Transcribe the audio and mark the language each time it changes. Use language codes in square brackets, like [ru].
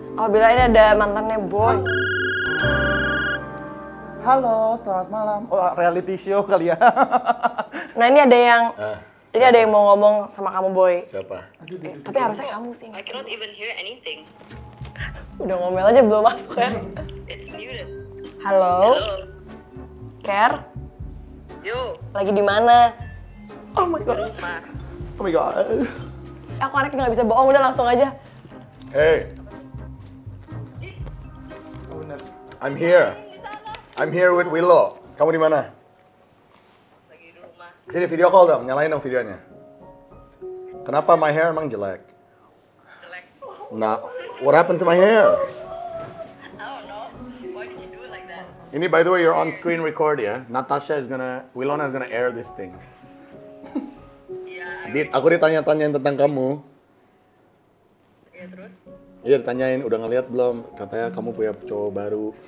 [id] Oh, bila ini ada mantannya Boy. Halo, selamat malam. Oh, reality show kali ya. Nah, ini ada yang... ini ada yang mau ngomong sama kamu, Boy. Siapa? Tapi harusnya kamu sih. [en] I cannot even hear anything. [id] Udah ngomel aja, belum masuk ya. [en] It's muted. [id] Halo? Care? Yo. Lagi di mana? [en] Oh my God. Oh my God. [id] Aku anaknya nggak bisa bohong, udah langsung aja. [en] Hey. I'm here with Willo. [id] Kamu di mana? Lagi di rumah. Sini video call dong, nyalain dong videonya. Kenapa [en] my hair [id] emang jelek? Jelek. [en] Nah, what happened to my hair? I don't know. Why did you do it like that? Ini by the way, you're on screen record ya. Natasha is gonna, Willona is gonna air this thing. [id] Aku ditanya-tanyain tentang kamu. Iya terus? Iya ditanyain, udah ngeliat belum? Katanya kamu punya cowok baru.